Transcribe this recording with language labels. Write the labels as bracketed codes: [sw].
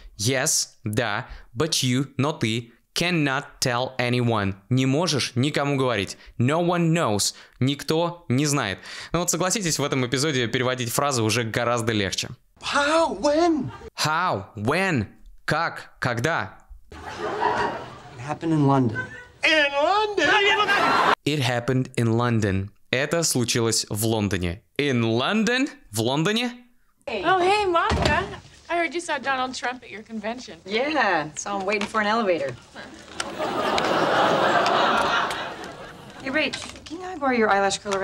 [en] Yes, [ru] да, [en] but you, [ru] но ты, [en] cannot tell anyone. [ru] Не можешь никому говорить. [en] No one knows. [ru] Никто не знает. Ну вот согласитесь, в этом эпизоде переводить фразы уже гораздо легче. [en] How? When? How? When? [ru] Как? Когда? [en] It happened in London. In London? It happened in London. [ru] Это случилось в Лондоне. [en] In London? [ru] В Лондоне? [en] Oh, hey, Monica. I heard you saw Donald Trump at your convention. Yeah, so I'm waiting for an elevator. Hey, Rach, can I borrow your eyelash curler?